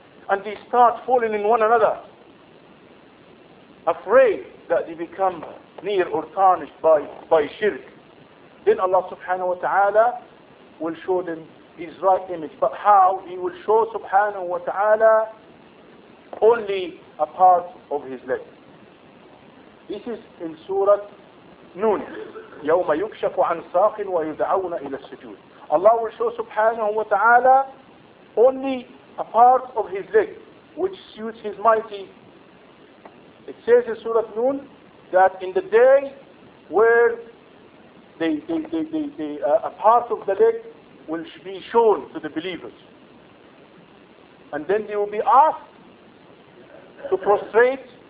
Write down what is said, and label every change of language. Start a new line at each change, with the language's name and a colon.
English: And they start falling in one another, afraid that they become near or tarnished by shirk. Then Allah subhanahu wa ta'ala will show them his right image. But how? He will show subhanahu wa ta'ala only a part of his leg. This is in Surah Noon.
Arabic: يوم يكشف عن ساق ويدعون إلى السجود.
English: Allah will show subhanahu wa ta'ala only a part of his leg which suits his mighty. It says in Surah Noon that in the day where a part of the leg will be shown to the believers, and then they will be asked to prostrate